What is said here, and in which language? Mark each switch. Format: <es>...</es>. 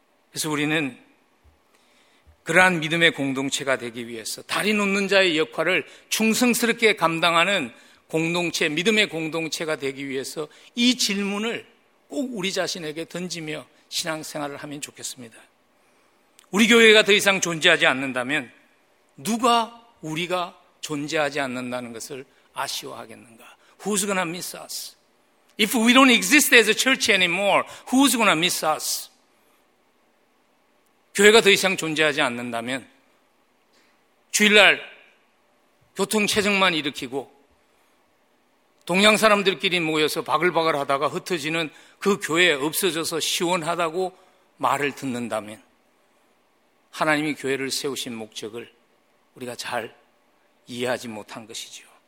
<ko>그래서 우리는 그러한 믿음의 공동체가 되기 위해서 다리 놓는 자의 역할을 충성스럽게 감당하는 공동체, 믿음의 공동체가 되기 위해서 이 질문을 꼭 우리 자신에게 던지며 신앙생활을 하면 좋겠습니다. 우리 교회가 더 이상 존재하지 않는다면 누가 우리가 존재하지 않는다는 것을 아쉬워하겠는가?</ko> <en>Who's gonna miss us? If we don't exist as a church anymore, who's gonna miss us?</en> <ko>교회가 더 이상 존재하지 않는다면 주일날 교통체증만 일으키고 동양 사람들끼리 모여서 바글바글 하다가 흩어지는 그 교회 없어져서 시원하다고 말을 듣는다면 하나님이 교회를 세우신 목적을 우리가 잘 이해하지 못한 것이죠.</ko>